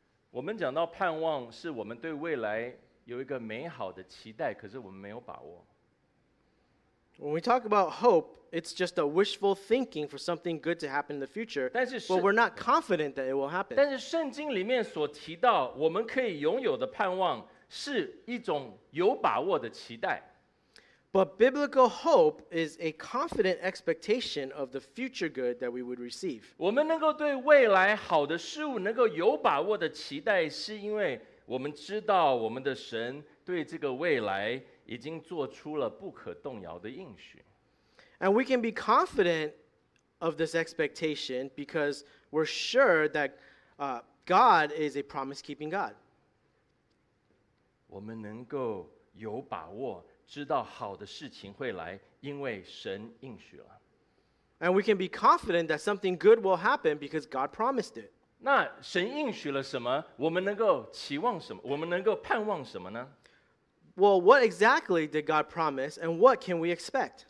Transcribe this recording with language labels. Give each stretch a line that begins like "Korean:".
Chinese: 我们讲到盼望是我们对未来有一个美好的期待，可是我们没有把握。
English: When we talk about hope, it's just a wishful thinking for something good to happen in the future, but we're not confident that it will happen.
Chinese: 但是圣经里面所提到我们可以拥有的盼望是一种有把握的期待。
English: But biblical hope is a confident expectation of the future good that we would receive.
Chinese: 我们能够对未来好的事物能够有把握的期待，是因为我们知道我们的神对这个未来已经做出了不可动摇的应许。
English: And we can be confident of this expectation because we're sure that God is a promise-keeping God.
Chinese: 我们能够有把握知道好的事情会来，因为神应许了。
English: And we can be confident that something good will happen because God promised it.
Chinese: 那神应许了什么？我们能够期望什么？我们能够盼望什么呢？
English: Well, what exactly did God promise and what can we expect?